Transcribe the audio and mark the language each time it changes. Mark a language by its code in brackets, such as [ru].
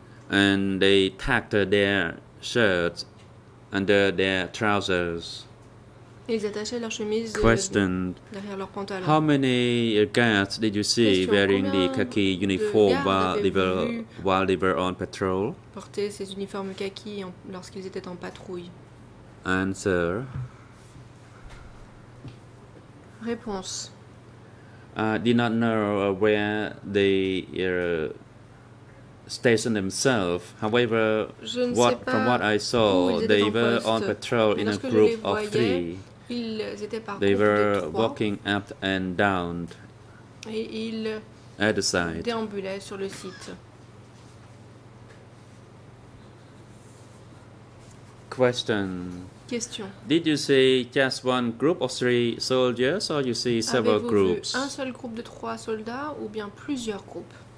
[en] And they tucked their shirts under their trousers. [fr] Ils attachaient leurs chemises [en] Questioned. [fr] Derrière leurs pantalons. [en] How many guards did you see [fr] Question, [en] wearing the khaki uniform while they were on patrol? [fr] Porter ces uniformes khaki lorsqu'ils étaient en patrouille. [en] Answer. [fr] Réponse. [en] I did not know where they stationed themselves. However, from what I saw, they were on patrol in a group of three. They were walking up and down at the site. [fr] Déambulaient sur le site. [en] Question. [fr] Question. [en] Did you see just one group of three soldiers or you see several groups? [fr] Avez-vous vu un seul groupe de trois soldats ou bien plusieurs groupes?